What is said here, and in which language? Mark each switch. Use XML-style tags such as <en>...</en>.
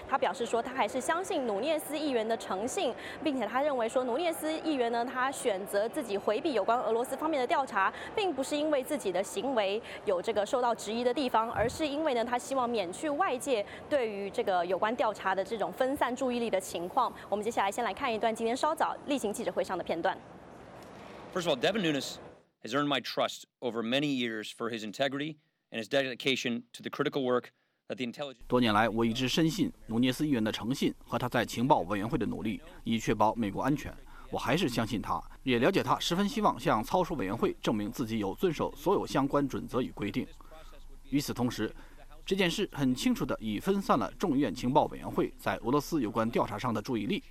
<zh>他表示说他还是相信努涅斯议员的诚信，并且他认为说努涅斯议员呢，他选择自己回避有关俄罗斯方面的调查，并不是因为自己的行为有这个受到质疑的地方，而是因为呢他希望免去外界对于这个有关调查的这种分散注意力的情况。我们接下来先来看一段今天稍早例行记者会上的片段。</zh> <en>First of all, Devin Nunes has earned my trust over many years for his integrity and his dedication to the critical work that the intelligence.</en> <zh>多年来，我一直深信努涅斯议员的诚信和他在情报委员会的努力，以确保美国安全。我还是相信他，也了解他十分希望向操守委员会证明自己有遵守所有相关准则与规定。与此同时，这件事很清楚地已分散了众议院情报委员会在俄罗斯有关调查上的注意力。</zh>